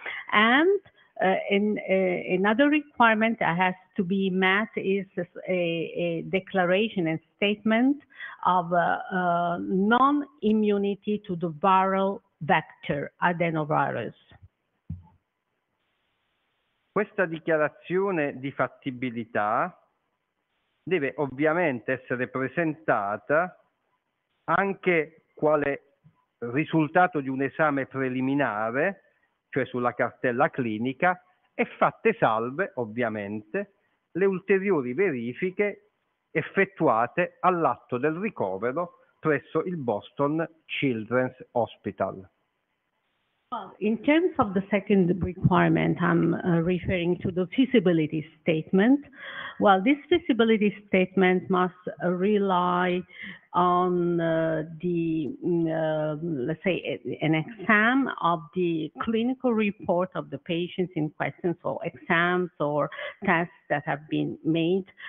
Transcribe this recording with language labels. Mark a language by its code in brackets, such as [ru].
[en] And another requirement that has to be met is a declaration and statement of non-immunity to the viral vector, adenovirus. [it] Questa dichiarazione di fattibilità deve ovviamente essere presentata anche quale risultato di un esame preliminare, cioè sulla cartella clinica, e fatte salve ovviamente le ulteriori verifiche effettuate all'atto del ricovero presso il Boston Children's Hospital. [en] Well, in terms of the second requirement, I'm referring to the feasibility statement. Well, this feasibility statement must rely on an exam of the clinical report of the patients in question, so exams or tests that have been made